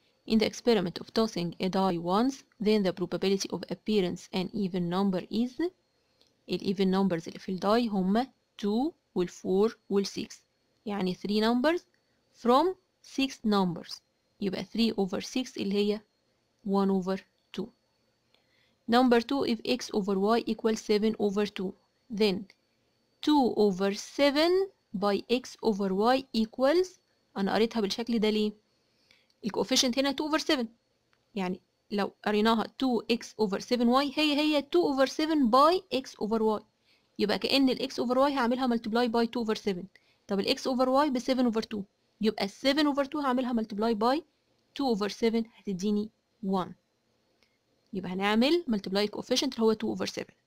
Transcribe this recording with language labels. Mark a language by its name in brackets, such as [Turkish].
[English] In the experiment of tossing a die once, then the probability of appearance an even number is. The even numbers [Arabic] اللي في الداي هم 2 وال 4 وال 6. [English] يعني 3 numbers from 6 numbers. [Arabic] يبقى 3 over 6 اللي هي 1 over 2. [English] Number 2, if x over y equals 7 over 2, then 2 over 7 by x over y equals. [Arabic] أنا قريتها بالشكل ده ليه؟ الكوفيشنت هنا [English] 2 over 7، [Arabic] يعني لو قريناها 2x over 7y هي هي 2 over 7 by x over y، يبقى كأن ال x over y هعملها [English] multiply by 2 over 7. [Arabic] طب ال x over y ب 7 over 2، يبقى 7 over 2 هعملها [English] multiply by 2 over 7 [Arabic] هتديني 1، يبقى هنعمل [English] multiply coefficient [Arabic] اللي هو 2 over 7.